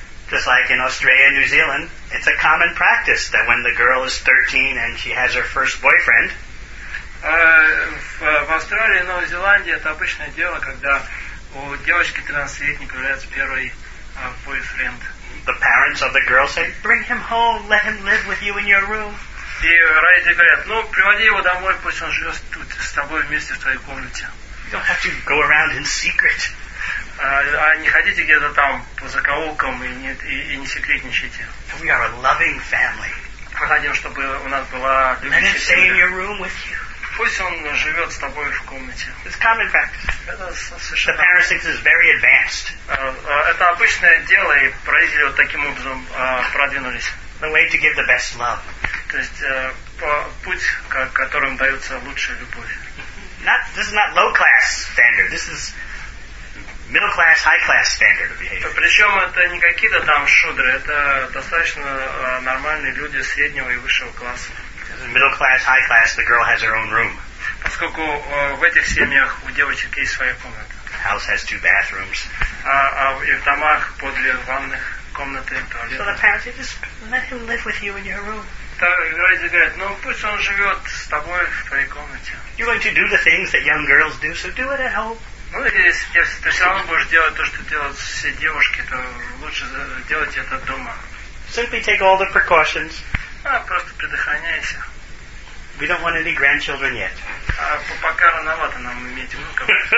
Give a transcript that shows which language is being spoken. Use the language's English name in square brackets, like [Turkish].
[English] Just like in Australia and New Zealand, it's a common practice that when the girl is 13 and she has her first boyfriend. [Russian] В Австралии и Новой Зеландии это обычное дело, когда у девочки 13-летней появляется первый boyfriend. [English] The parents of the girl say, "Bring him home, let him live with you in your room." [Russian] И родители говорят, ну, приводи его домой, пусть он живет тут с тобой вместе в твоей комнате. [English] You don't have to go around in secret. [Russian] А не ходите где-то там по закоулкам и не секретничайте. [English] We are a loving family. [Russian] Мы хотим, чтобы у нас была любящая семья. [English] Let him stay in your room with you. [Russian] Пусть он живет с тобой в комнате. [English] It's common practice. [Russian] Это совершенно... [English] The parents think this is very advanced. [Russian] Это обычное дело, и родители вот таким образом продвинулись. [English] The way to give the best love. [Russian] То есть путь, которым дается лучшая любовь. [English] This is not low class standard. This is middle class, high class standard of behavior. [Russian] Причем это не какие-то там шудры. Это достаточно нормальные люди среднего и высшего класса. [English] Middle class, high class. The girl has her own room. [Russian] Поскольку в этих семьях у девочек есть своя комната. [English] The house has two bathrooms. [Russian] И в домах по две ванных. Комнаты, [English] so the parents just let him live with you in your room. [Russian] Говорят, ну пусть он живет с тобой в твоей комнате. [English] You're going to do the things that young girls do, so do it at home. [Russian] Ну если ты сам будешь делать то, что делают все девушки, то лучше делать это дома. [English] Simply take all the precautions. [Russian] Просто предохраняйся. [English] We don't want any grandchildren yet. [Russian] Пока рановато нам иметь внуков.